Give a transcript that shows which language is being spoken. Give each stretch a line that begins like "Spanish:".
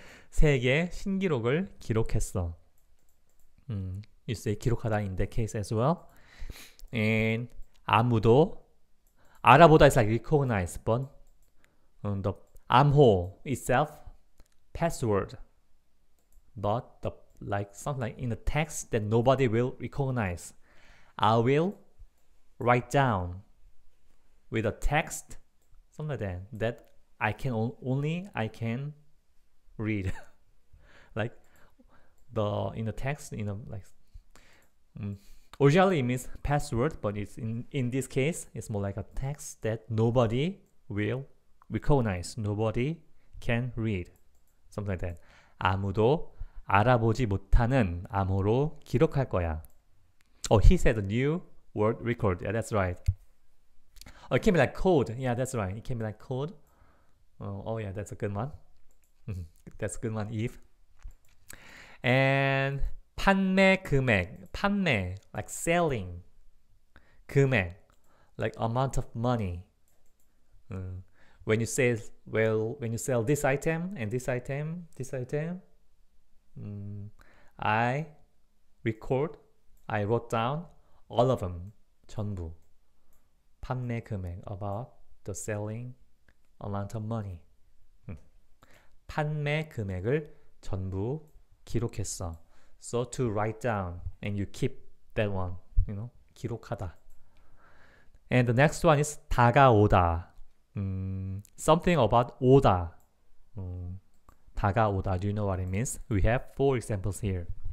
Korean: 세계 신기록을 기록했어.
English: You say 기록하다 in that case as well. And 아무도 알아보다 is like recognize, but the 암호 itself password. But the like something like in the text that nobody will recognize, I will write down with a text something like that I can only I can read. Like the in the text in a like originally it means password, but it's in this case it's more like a text that nobody will recognize, nobody can read, something like that.
Korean: 아무도 알아보지 못하는 암호로 기록할 거야.
English: Oh, he said a new world record. Yeah, that's right. Oh, it can be like code. Yeah, that's right. It can be like code. Oh, yeah, that's a good one. That's a good one, Eve. And 판매 금액. 판매, like selling. 금액, like amount of money. When you say, well, when you sell this item and this item, this item, I record, I wrote down all of them, 전부. 판매 금액, about the selling amount of money.
Korean: 판매 금액을 전부 기록했어.
English: So to write down, and you keep that one, you know, 기록하다. And the next one is 다가오다. Something about 오다. 다가오다. Do you know what it means? We have four examples here.